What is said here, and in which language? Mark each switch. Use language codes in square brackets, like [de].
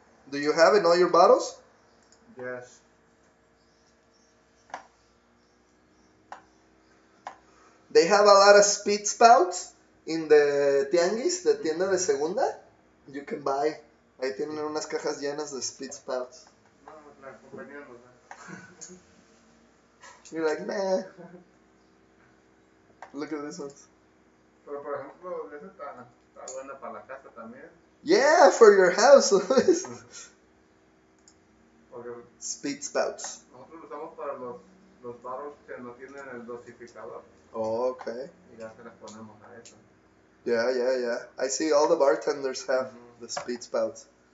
[en] Do you have it in all your bottles? Yes. They have a lot of speed spouts in the tianguis, the [es] tienda de segunda. [en] You can buy. [es] Ahí tienen unas cajas llenas de speed spouts. No, la compañía no. [en] You're like, nah. Look at this one. [es] Pero, por ejemplo, esa está buena para la casa también. [en] Yeah, for your house, Luis. Speed spouts. [es] Nosotros lo usamos para los barros que no tienen el dosificador. [en] Oh, okay. [es] Y ya se las ponemos a eso. [en] Yeah, yeah, yeah. I see all the bartenders have the speed spouts.